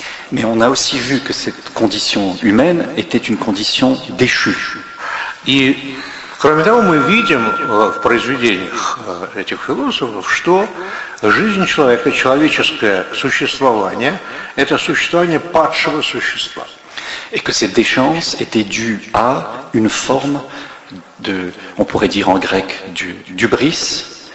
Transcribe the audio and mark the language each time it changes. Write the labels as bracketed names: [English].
[French] Mais on a aussi vu que cette condition humaine était une condition déchue. [Russian] И кроме того, мы видим в произведениях этих философов, что жизнь человека, человеческое существование, это существование падшего существа. [French] Et que cette déchéance était due à une forme de, on pourrait dire en grec, du hubris.